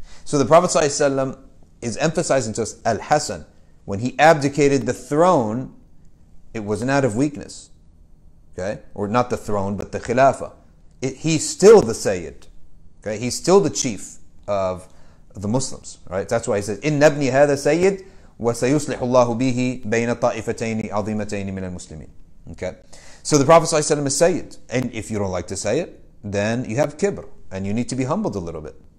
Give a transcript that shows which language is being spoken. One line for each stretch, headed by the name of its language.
English: So the Prophet ﷺ is emphasizing to us Al-Hasan. When he abdicated the throne, it wasn't out of weakness. Okay? Or not the throne, but the khilafah. He's still the Sayyid. Okay? He's still the chief of the Muslims. Right? That's why he says,
Arabic: إِنَّ ابْنِي هَذَا سَيِّدْ وَسَيُصْلِحُ اللَّهُ بِهِ بَيْنَ طَائِفَتَيْنِ عَظِيمَتَيْنِ مِنَ الْمُسْلِمِينَ
English: Okay? So the Prophet ﷺ is Sayyid. And if you don't like to say it, then you have kibr and you need to be humbled a little bit.